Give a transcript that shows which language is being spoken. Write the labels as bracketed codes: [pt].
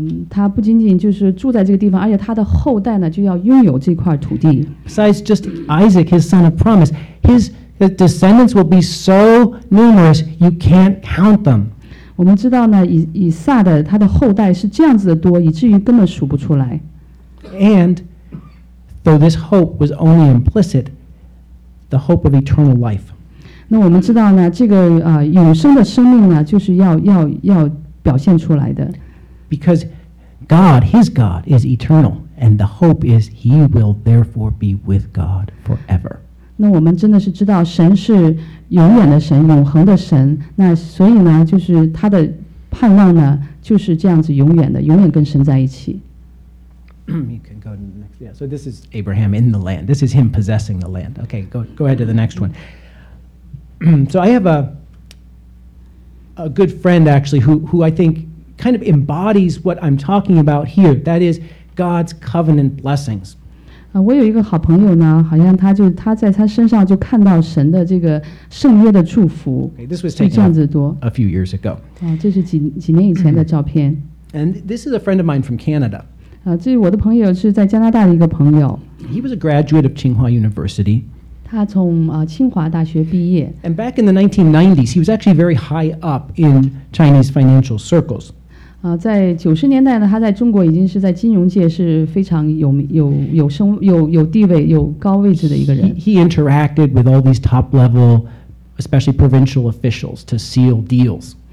[zh] 他不仅仅就是住在这个地方，而且他的后代呢就要拥有这块土地。 [en] Besides just Isaac, his son of promise, his descendants will be so numerous you can't count them. [zh] 我们知道呢，以撒的他的后代是这样子的多，以至于根本数不出来。 [en] And Though this hope was only implicit, the hope of eternal life. [zh] 那我们知道呢，这个永生的生命呢，就是要表现出来的。 [en] Because God, His God, is eternal, and the hope is He will therefore be with God forever. [zh] 那我们真的是知道神是永远的神，永恒的神。那所以呢，就是他的盼望呢，就是这样子永远的，永远跟神在一起。 [en] You can go to the next. Yeah, so this is Abraham in the land. This is him possessing the land. Okay, go ahead to the next one. So I have a good friend, actually, who I think kind of embodies what I'm talking about here. That is God's covenant blessings. [zh] 我有一个好朋友呢，好像他在他身上就看到神的这个圣约的祝福。 [en] Okay, this was taken a few years ago. [zh] 这是几年以前的照片。 [en] And this is a friend of mine from Canada. [zh] 这是我的朋友，是在加拿大的一个朋友。 [en] He was a graduate of Tsinghua University. [zh] 他从清华大学毕业。 [en] And back in the 1990s, he was actually very high up in Chinese financial circles. [zh] 在90年代呢，他在中国已经是在金融界是非常有地位、有高位置的一个人。 [en] He interacted with all these top level, especially provincial officials, to seal deals.